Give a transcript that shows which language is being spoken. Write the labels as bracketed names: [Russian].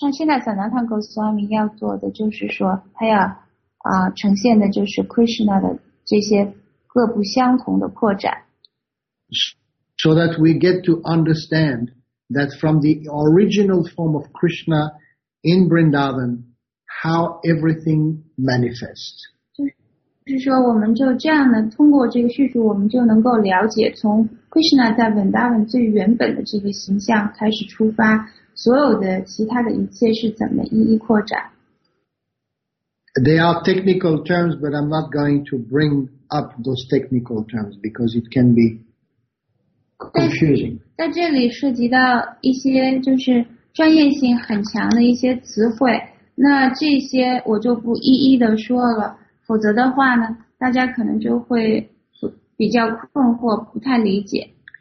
[Chinese] 那现在萨那坦戈斯瓦米要做的就是说，他要呈现的就是 Krishna 的这些各不相同的扩展。 [English] So that we get to understand that from the original form of Krishna in Vrindavan, how everything manifests. [Chinese] 就是说，我们就这样呢，通过这个叙述，我们就能够了解从。 Krishna 在 Vrindavan 最原本的这个形象开始出发，所有的其他的一切是怎么一一扩展。 [English] They are technical terms, but I'm not going to bring up those technical terms because it can be confusing. [Chinese] 在这里涉及到一些就是专业性很强的一些词汇，那这些我就不一一的说了，否则的话呢，大家可能就会比较困惑，不太理解。